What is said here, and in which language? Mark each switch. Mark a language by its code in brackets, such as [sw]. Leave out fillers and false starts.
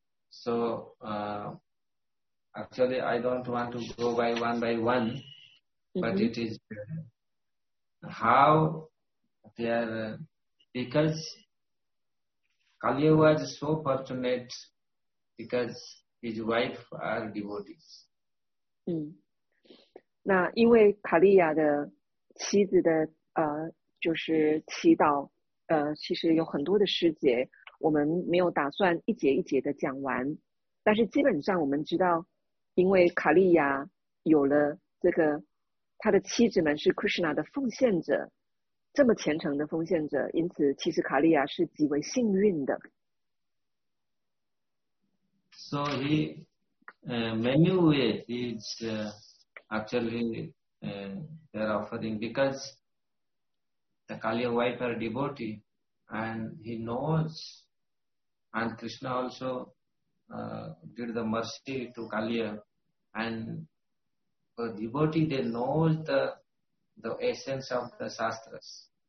[en] So, actually, I don't want to go by one, but it is how they are, because Kaliya was so fortunate because. His wife are devotees. [zh] 那因为卡利亚的妻子的就是祈祷其实有很多的师姐，我们没有打算一节一节的讲完。但是基本上我们知道，因为卡利亚有了这个他的妻子们是 Krishna 的奉献者，这么虔诚的奉献者，因此其实卡利亚是极为幸运的。 [en] So he, many ways is actually they are offering because the Kaliya wife are devotee and he knows and Krishna also did the mercy to Kaliya and for devotee they know the essence of the Shastras.